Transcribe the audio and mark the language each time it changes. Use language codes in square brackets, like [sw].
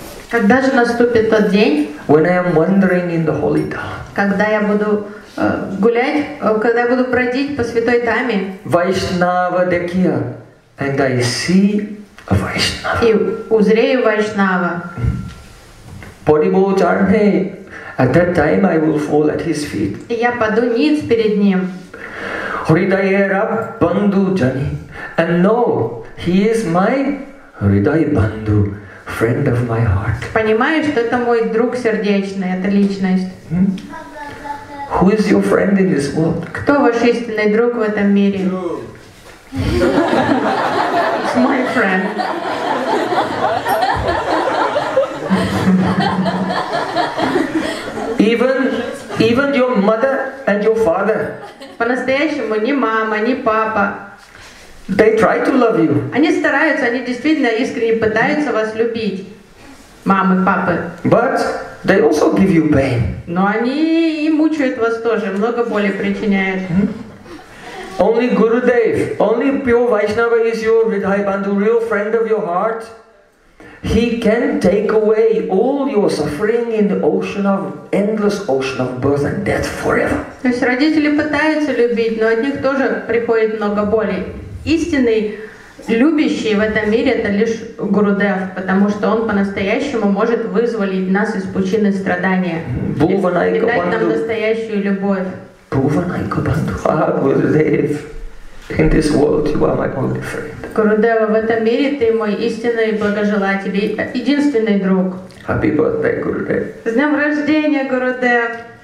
[ru] Когда же наступит тот день? [en] When I am wandering in the holy town. [ru] Когда я буду гулять, когда я буду бродить по святой даме. [bn] Vaishnava dekhiya, [en] and I see a Vaishnava. [ru] И узрею Вайшнава. [bn] Padibo charane, [en] at that time I will fall at his feet. [ru] И я паду ниц перед ним. [bn] Hridaye rab bandhu jani, [en] and know he is my Hridaye Bandhu, friend of my heart. [ru] Понимаешь, что это мой друг сердечный, это личность. Hmm? [en] Who is your friend in this world? [ru] Кто ваш истинный друг в этом мире? [en] It's my friend. Even your mother and your father. [ru] По-настоящему ни мама, ни папа. [en] They try to love you. [ru] Они стараются, они действительно искренне пытаются вас любить. мамы, папы. [en] But they also give you pain. [ru] Но они и мучают вас тоже, много боли причиняют. Hmm? [en] Only Gurudev, only pure Vaishnava is your Vidhai Bandhu, real friend of your heart. He can take away all your suffering in the ocean of endless ocean of birth and death forever. [ru] То есть родители пытаются любить, но от них тоже приходит много боли. Истинный любящий в этом мире это лишь Гурудев, потому что он по-настоящему может вызволить нас из пучины страдания. [sa] Бхуванайкабандху. [ru] Дать нам настоящую любовь. [sa] Бхуванайкабандху. [en] In this world, you are my only friend. [ru] Гурудева, в этом мире ты мой истинный благожелатель, единственный друг. [en] Happy birthday, Гурудев. [ru] С днем рождения, Гурудев.